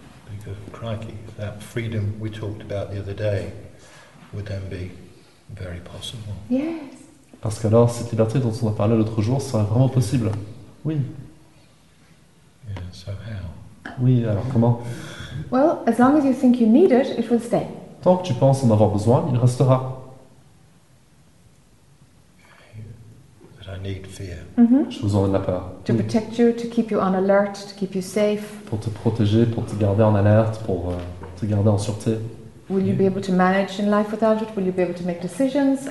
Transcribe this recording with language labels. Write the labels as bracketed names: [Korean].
[English] Because, crikey, that freedom we talked about the other day would then be very possible. Yes. [French] Parce qu'alors, cette liberté dont on a parlé l'autre jour serait vraiment possible. Oui. [English] Yeah, so how? [French] Oui, alors comment? [English] Well, as long as you think you need it, it will stay. [French] Tant que tu penses en avoir besoin, il restera. [English] But I need fear. [French] Je vous en donne la peur. [English] To protect you, to keep you on alert, to keep you safe. [French] Pour te protéger, pour te garder en alerte, pour te garder en sûreté. [English] Will you be able to manage in life without it? Will you be able to make decisions?